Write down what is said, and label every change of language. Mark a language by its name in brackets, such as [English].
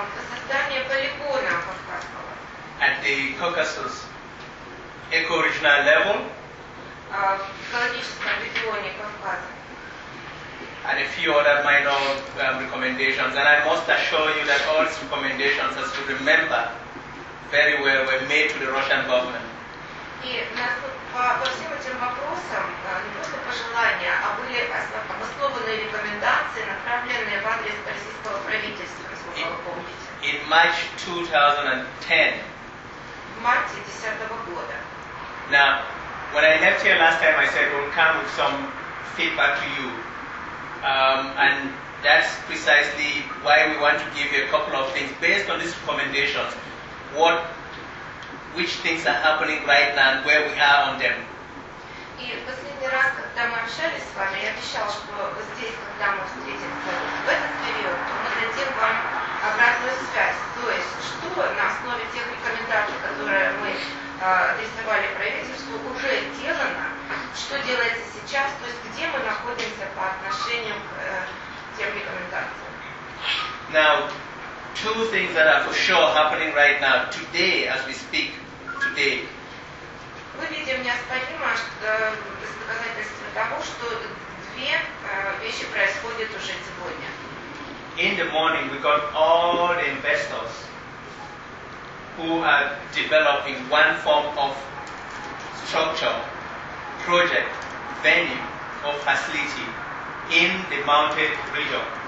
[Russian] Создание полигона Кавказского. [English] At the Caucasus ecoregional level. [Russian] В экологическом регионе Кавказа. [English] And a few other minor recommendations, and I must assure you that all these recommendations, as you remember very well, were made to the Russian government. [Russian] И по всем этим вопросам не просто пожелания, а были обоснованные рекомендации, направленные в адрес российского правительства, если вы помните. [English] In March 2010. [Russian] В марте 2010 года. [English] Now, when I left here last time, I said we'll come with some feedback to you, and that's precisely why we want to give you a couple of things based on these recommendations. Which things are happening right now and where we are on them. [Russian] И в последний раз, когда мы общались с вами, я обещала, что здесь, когда мы встретимся в этот период, то мы дадим вам обратную связь. То есть, что на основе тех рекомендаций, которые мы адресовали правительству, уже делано, что делается сейчас, то есть, где мы находимся по отношению к тем рекомендациям. [English] Now, two things that are for sure happening right now, today, as we speak, today. [Russian] Мы видим неоспоримо доказательство того, что две вещи происходят уже сегодня. [English] In the morning, we got all the investors who are developing one form of structure, project, venue, or facility in the mountain region.